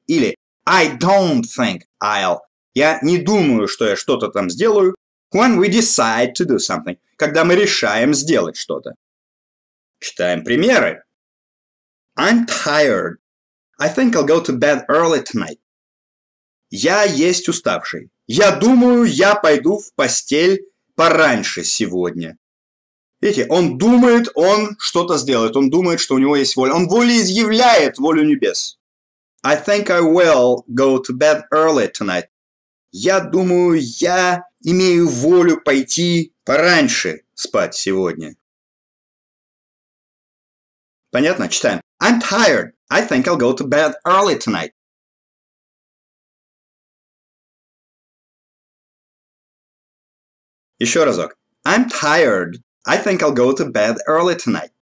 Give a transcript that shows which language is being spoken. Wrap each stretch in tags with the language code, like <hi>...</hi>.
<ru>Или</ru> <en>I don't think I'll,</en> <ru>я не думаю, что я что-то там сделаю.</ru> <en>When we decide to do something,</en> <ru>когда мы решаем сделать что-то. Читаем примеры.</ru> <en>I'm tired. I think I'll go to bed early tonight.</en> <ru>Я есть уставший. Я думаю, я пойду в постель пораньше сегодня. Видите, он думает, он что-то сделает. Он думает, что у него есть воля. Он волеизъявляет волю небес.</ru> <en>I think I will go to bed early tonight.</en> <ru>Я думаю, я имею волю пойти пораньше спать сегодня. Понятно? Читаем.</ru> <en>I'm tired. I think I'll go to bed early tonight.</en> <ru>Еще разок.</ru> <en>I'm tired. I think I'll go to bed early tonight.</en>